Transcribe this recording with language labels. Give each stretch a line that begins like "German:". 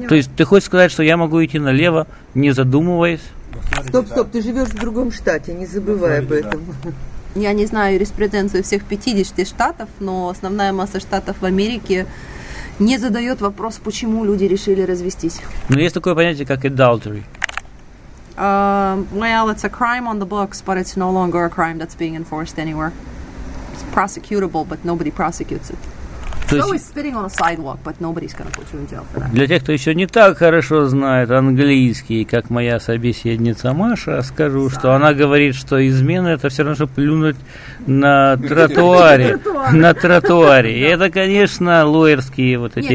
Russian: То есть ты хочешь сказать, что я могу идти налево, не задумываясь? Стоп, ты живешь в другом штате, не забывай об этом. Да. Я не знаю юриспруденцию всех 50 штатов, но основная масса штатов в Америке не задает вопрос, почему люди решили развестись. Но есть такое понятие, как adultery.
English: Well, it's a crime on the books, but it's no longer a crime that's being enforced anywhere. Prosecutable, but nobody prosecutes it.
Russian: Для тех, кто еще не так хорошо знает английский, как моя собеседница Маша, скажу, что она говорит, что измена – это все равно, что плюнуть на тротуаре. На тротуаре. И это, конечно, лоерские вот эти…